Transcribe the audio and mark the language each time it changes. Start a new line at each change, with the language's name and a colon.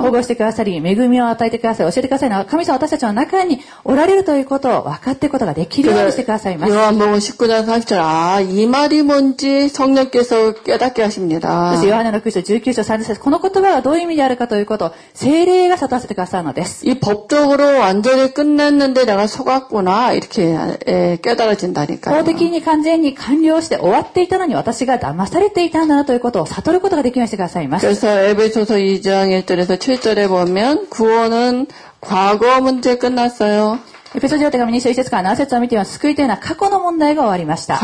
Japanese: 保護してくださり、恵みを与えてください、教えてくださいな。神様は私たちの中におられるということを分かっていくことができるようにしてくださいました。
Korean: 요한복음19장30절아이말이뭔지성령께서깨닫게하십니다。 요한의복음서19장30절
Japanese: この言葉がどういう意味であるかということを聖霊が悟らせてくださるのです。
Korean: 이법적으로완전히끝냈는데내가속았구나이렇게깨달아진다니까요。
Japanese: 完全に完了して終わっていたのに私が騙されていたんだなということを悟ることができましてくださいます。
Korean: 그래서에베소서2장1절에서7절에보면구원은과거문제끝났어요。
Japanese: エペソ書2章1節から7節を見ても救いというのは過去の問題が終わりました。